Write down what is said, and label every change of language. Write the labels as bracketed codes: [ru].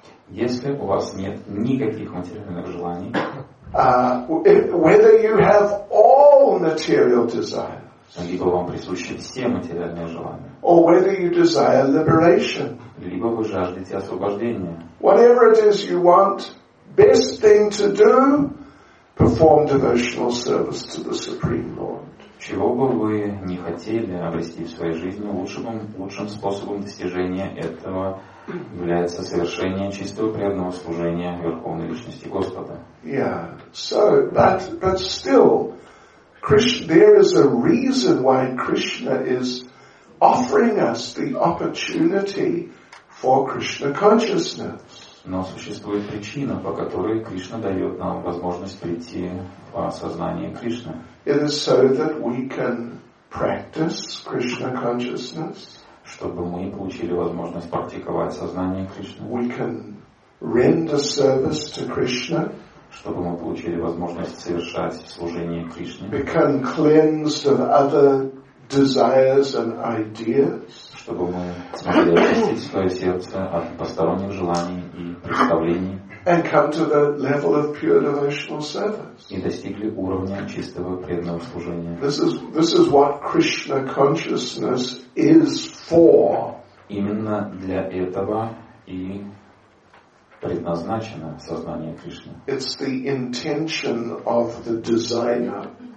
[ru] если у вас нет никаких материальных желаний, [en] whether you have all material desires, [ru] либо вам присущи все материальные желания, [en] or whether you desire liberation, [ru] либо вы жаждете освобождения, [en] whatever it is you want, best thing to do, perform devotional service to the Supreme Lord. [ru] Чего бы вы не хотели обрести в своей жизни, лучшим способом достижения этого является совершение чистого преданного служения Верховной Личности Господа. [en] Yeah. So, but still, Krishna, there is a reason why Krishna is offering us the opportunity for Krishna consciousness. [ru] Но существует причина, по которой Кришна дает нам возможность прийти в сознание Кришны. [en] It is so that we can practice Krishna consciousness. [ru] Чтобы мы получили возможность практиковать сознание Кришны. [en] We can render service to Krishna. [ru] Чтобы мы получили возможность совершать служение Кришне. [en] Become cleansed of other desires and ideas. [ru] Чтобы мы смогли очистить свое сердце от посторонних желаний и представлений. [en] And come to the level of pure devotional service. [ru] И достигли уровня чистого преданного служения. [en] This is what Krishna consciousness is for. [ru] Именно для этого и предназначено сознание Кришны. [en] It's the intention of the designer.